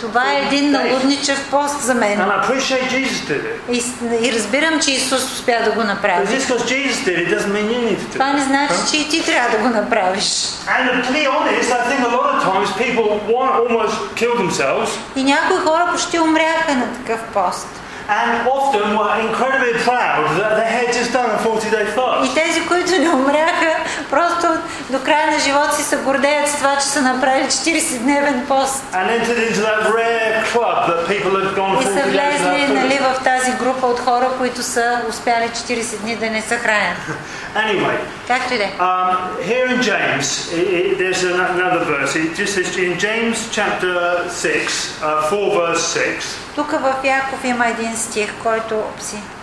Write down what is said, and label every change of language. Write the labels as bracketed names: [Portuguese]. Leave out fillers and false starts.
[Bulgarian] Това е един налудничев пост за мен. [English] And I appreciate Jesus did it. [Bulgarian] И разбирам, че Исус успя да го направи. [English] Because Jesus did it doesn't mean you need to do it. [Bulgarian] Това не значи, че и ти трябва да го направиш. [English] And to be honest, I think a lot of times people want almost kill themselves. [Bulgarian] И някои хора почти умряха на такъв пост. [English] And often were incredibly proud that they had just done a 40-day fast. [Bulgarian] И тези, които не умряха, просто до края на живота си се гордеят с това, че са направили 40-дневен пост. [English] And entered into that rare club that people have gone 40 days without food. [Bulgarian] И са влезли, нали, в тази група от хора, които са успяли 40 дни да не се хранят. [English] Anyway. [Bulgarian] Както и да. [English] Here in James, there's another verse. It just says in James chapter 6, 4 verse 6. [Bulgarian] Тук в Яков има един стих, който опси.